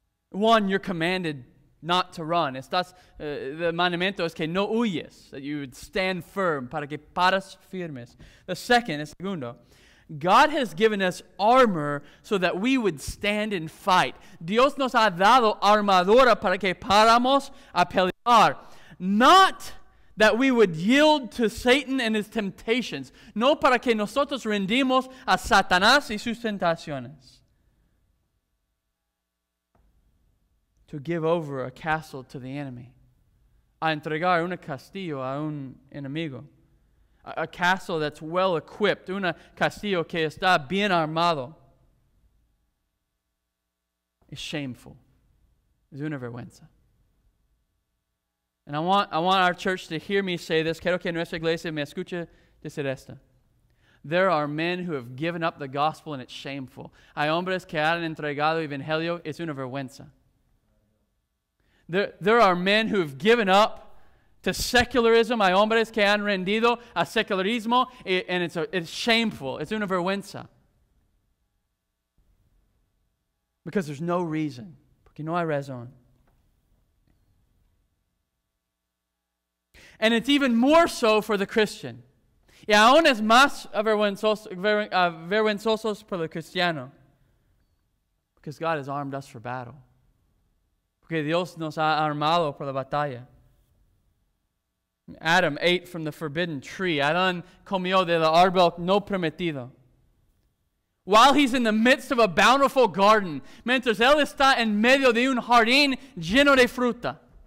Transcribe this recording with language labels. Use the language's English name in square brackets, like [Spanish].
[English] One, you're commanded not to run. The [Spanish] mandamiento es que no huyes, [English] that you would stand firm, [Spanish] para que paras firmes. [English] The second, [Spanish] el segundo, [English] God has given us armor so that we would stand and fight. [Spanish] Dios nos ha dado armadura para que paramos a pelear. [English] Not that we would yield to Satan and his temptations. [Spanish] No para que nosotros rendimos a Satanás y sus tentaciones. [English] To give over a castle to the enemy. [Spanish] A entregar un castillo a un enemigo. [English] A castle that's well equipped. [Spanish] Un castillo que está bien armado. [English] Is shameful. [Spanish] Es una vergüenza. [English] And I want our church to hear me say this. [Spanish] Quiero que nuestra iglesia me escuche decir esto. [English] There are men who have given up the gospel and it's shameful. [Spanish] Hay hombres que han entregado el evangelio. Es una vergüenza. [English] There are men who have given up to secularism. [Spanish] Hay hombres que han rendido a secularismo. [English] And it's shameful. It's [Spanish] una vergüenza. [English] Because there's no reason. [Spanish] Porque no hay razón. [English] And it's even more so for the Christian. [Spanish] Y aún es más vergüenzosos por el cristiano. [English] Because God has armed us for battle. [Spanish] Porque Dios nos ha armado por la batalla. [English] Adam ate from the forbidden tree. [Spanish] Adán comió del árbol no permitido. [English] While he's in the midst of a bountiful garden. [Spanish] Mientras él está en medio de un jardín lleno de fruta.